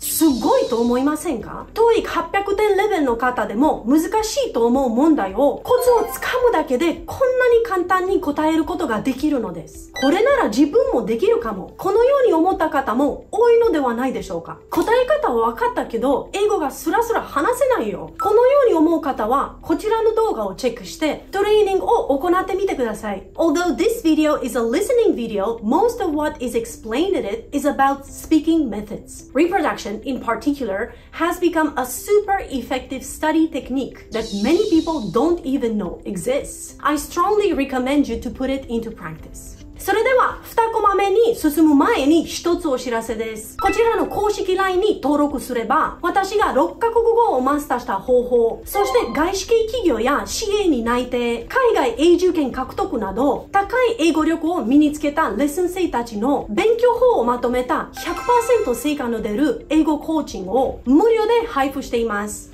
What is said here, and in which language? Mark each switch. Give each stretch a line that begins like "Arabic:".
Japanese: すごいと思いませんか ?TOEIC 800点レベルの方でも難しいと思う問題をコツをつかむだけでこんなに簡単に答えることができるのです。これなら自分もできるかも。このように思った方も多いのではないでしょうか。答え方は分かったけど、英語がスラスラ話せないよ。このように思う方は、こちらの動画をチェックして、トレーニングを行ってみてください。
English: Although this video is a listening video, most of what is explained in it is about speaking methods. Reproduction, in particular, has become a super effective study technique that many people don't even know exists. I strongly recommend you to put it into practice.
Japanese: それでは2コマ目に進む前に一つお知らせです。こちらの公式 LINE に登録すれば、私が6カ国語をマスターした方法、そして外資系企業や CA に内定、海外永住権獲得など、高い英語力を身につけたレッスン生たちの勉強法をまとめた 100% 成果の出る英語コーチングを無料で配布しています。